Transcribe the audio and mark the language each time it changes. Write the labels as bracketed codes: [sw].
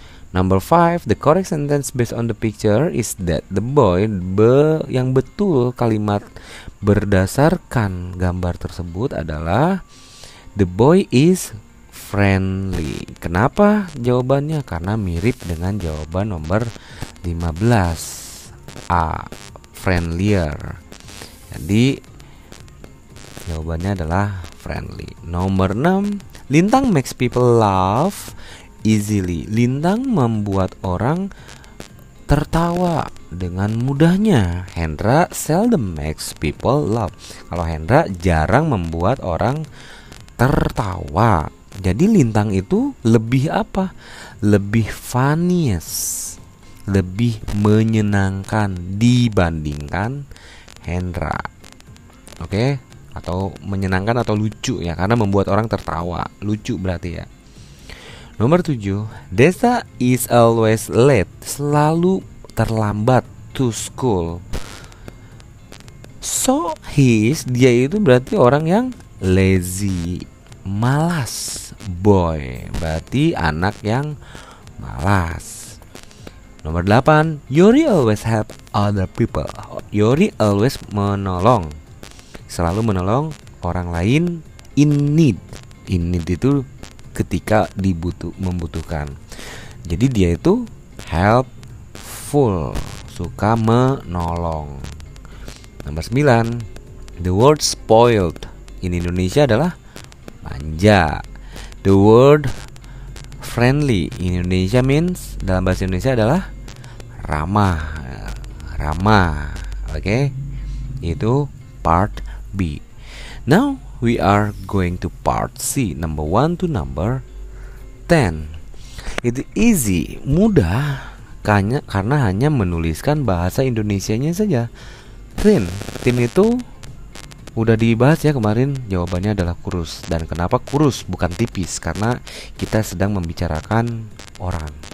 [en] Number 5, the correct sentence based on the picture is that the boy [id] yang betul kalimat berdasarkan gambar tersebut adalah [en] the boy is friendly. [id] Kenapa jawabannya? Karena mirip dengan jawaban nomor 15, A, friendlier. Jadi jawabannya adalah friendly. Nomor 6, [en] lintang makes people laugh easily. [id] Lintang membuat orang tertawa dengan mudahnya. [en] Hendra seldom makes people laugh. [id] Kalau Hendra jarang membuat orang tertawa. Jadi lintang itu lebih apa? Lebih funniest, lebih menyenangkan dibandingkan Hendra. Oke? Atau menyenangkan atau lucu ya, karena membuat orang tertawa. Lucu berarti ya. Nomor 7, [en] Desa is always late. [id] Selalu terlambat [en] to school. So he's, [id] dia itu berarti orang yang lazy, malas. Boy berarti anak yang malas. Nomor 8, [en] Yori always help other people. [id] Yori always menolong, selalu menolong orang lain in need. In need itu ketika membutuhkan. Jadi dia itu helpful, suka menolong. Nomor 9, [en] the word spoiled in Indonesia [id] adalah manja. [en] The word friendly in Indonesia means, [id] dalam bahasa Indonesia adalah ramah. Ramah. Oke. Okay? Itu part B. [en] Now we are going to part C, number 1 to number 10. It easy, [id] mudah, karena hanya menuliskan bahasa Indonesianya saja. Tin, tin itu udah dibahas ya kemarin, jawabannya adalah kurus. Dan kenapa kurus bukan tipis? Karena kita sedang membicarakan orang.